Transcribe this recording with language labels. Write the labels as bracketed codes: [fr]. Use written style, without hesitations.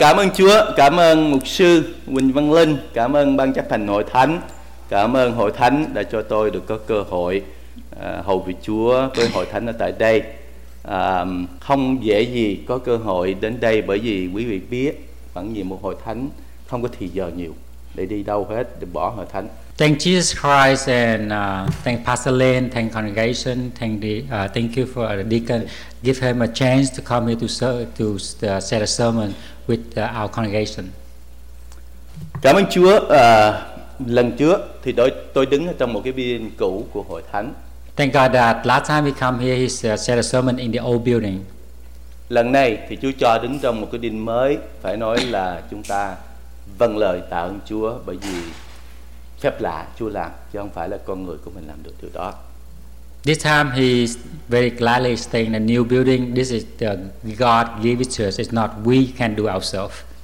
[vi] Cảm ơn Chúa, cảm ơn Mục sư Huỳnh Văn Linh, cảm ơn Ban Chấp hành Hội Thánh, cảm ơn Hội Thánh đã cho tôi được có cơ hội hầu vị Chúa với Hội Thánh ở tại đây. Không dễ gì có cơ hội đến đây, bởi vì quý vị biết vẫn nhiều một Hội Thánh không có thời giờ nhiều để đi đâu hết, để bỏ Hội Thánh. [en] Thank Jesus Christ and thank Pastor Lin, thank congregation, thank you for the deacon give him a chance to come here to serve, to set a sermon with our congregation. [vi] Cảm ơn Chúa. Lần trước thì tôi đứng ở trong một cái building cũ của Hội Thánh. [en] Thank God that last time we come here, he set a sermon in the old building. [vi] Lần này thì Chúa cho đứng trong một cái building mới. Phải nói là chúng ta vâng lời tạ ơn Chúa, bởi vì phép lạ Chúa làm, chứ không phải là con người của mình làm được điều đó. [en] This time he very gladly staying in a new building. This is the God give it to us. It's not we can do ourselves.